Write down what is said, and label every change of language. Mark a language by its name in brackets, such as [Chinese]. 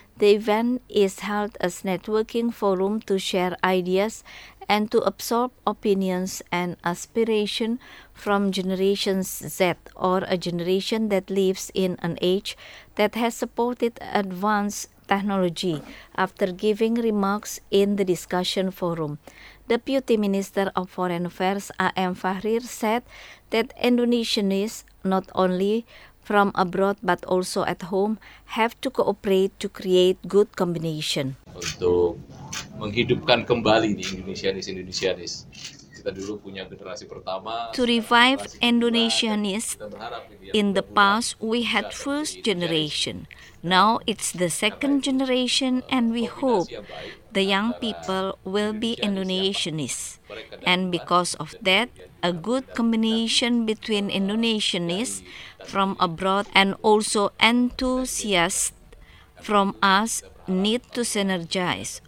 [English] The event is held as a networking forum to share ideas and to absorb opinions and aspiration from Generation Z, or a generation that lives in an age that has supported advanced technology, after giving remarks in the discussion forum. Deputy Minister of Foreign Affairs A.M. Fahrir said that Indonesians, not only from abroad but also at home, have to cooperate to create good combination. [Indonesian] Untuk menghidupkan kembali di Indonesianis-Indonesianis, kita dulu punya generasi pertama. [English] To revive Indonesianis, in the past we had first generation. Now it's the second generation, and we hope the young people will be Indonesianis. And because of that, a good combination between Indonesianis from abroad and also enthusiasts from us need to synergize.